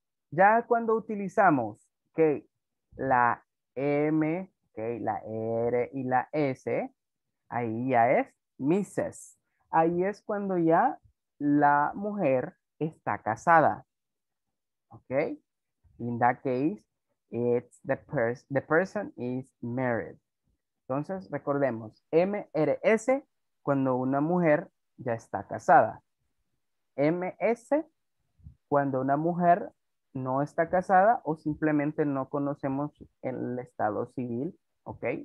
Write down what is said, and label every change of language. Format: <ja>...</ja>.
<es>Ya cuando utilizamos que la M, okay, la R y la S, ahí ya es Mrs. Ahí es cuando ya la mujer está casada. Ok.</es> <en>In that case, it's the person is married.</en> <es>Entonces, recordemos, MRS cuando una mujer ya está casada. MS cuando una mujer no está casada o simplemente no conocemos el estado civil, ¿ok?</es>